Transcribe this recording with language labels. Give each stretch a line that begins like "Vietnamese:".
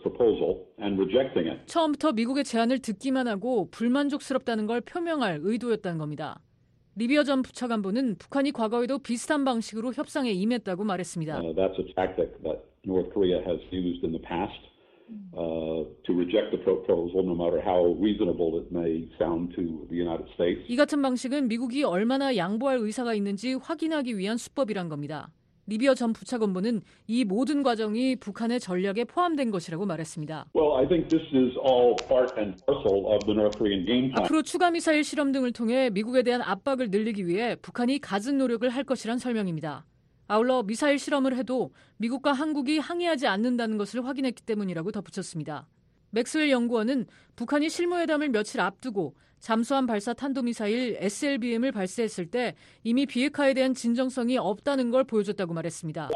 English: proposal and rejecting it.
Korean: 처음부터 미국의 제안을 듣기만 하고 불만족스럽다는 걸 표명할 의도였다는 겁니다. 리비어 전 부차관부는 북한이 과거에도 비슷한 방식으로 협상에 임했다고 말했습니다.
English: That's a tactic that North Korea has used in the past. to reject the proposal, no matter how reasonable it may sound to the United States.
Korean: 이 같은 방식은 미국이 얼마나 양보할 의사가 있는지 확인하기 위한 수법이란 겁니다. 리비어 전 부차관보는 이 모든 과정이 북한의 전략에 포함된 것이라고 말했습니다.
English: Well, I think this is all part and parcel of the North Korean game plan.
Korean: 앞으로 추가 미사일 실험 등을 통해 미국에 대한 압박을 늘리기 위해 북한이 가진 노력을 할 것이란 설명입니다. 아울러 미사일 실험을 해도 미국과 한국이 항의하지 않는다는 것을 확인했기 때문이라고 덧붙였습니다. 맥스웰 연구원은 북한이 실무회담을 며칠 앞두고 잠수함 발사 탄도미사일 SLBM을 발사했을 때 이미 비핵화에 대한 진정성이 없다는 걸 보여줬다고 말했습니다.